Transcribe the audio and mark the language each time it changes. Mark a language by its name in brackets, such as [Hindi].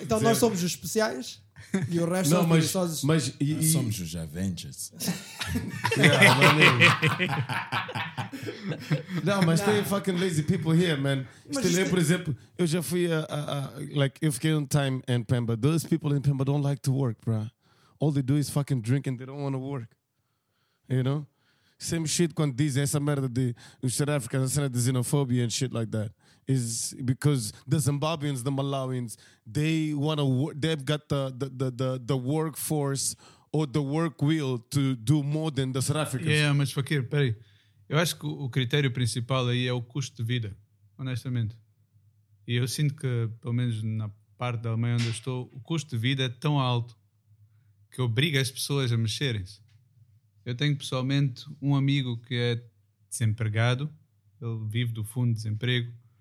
[Portuguese] Então, nós somos os especiais? E o resto não, mas, são os mas, e somos os Avengers. Não, mas tem [English] fucking lazy people here, man. [Portuguese] Estilo, por exemplo, eu já fui like, eu fiquei um time em Pemba. [English] Those people in Pemba don't like to work, bro. All they do is fucking drink and they don't want to work. You know? Same shit [Portuguese] quando dizem essa merda de os South Africans, a cena de xenofobia [English] and shit like that. Is because the Zimbabweans, the Malawians, they want to work, they've got the workforce or the work will to do more than the South Africans. [Portuguese] Yeah, mas Fakir, peraí. Eu acho que o critério principal aí é o custo de vida, honestamente. E eu sinto que, pelo menos na parte da Alemanha onde eu estou, o custo de vida é tão alto que obriga as pessoas a mexerem-se. Eu tenho pessoalmente um amigo que é desempregado, ele vive do fundo de desemprego.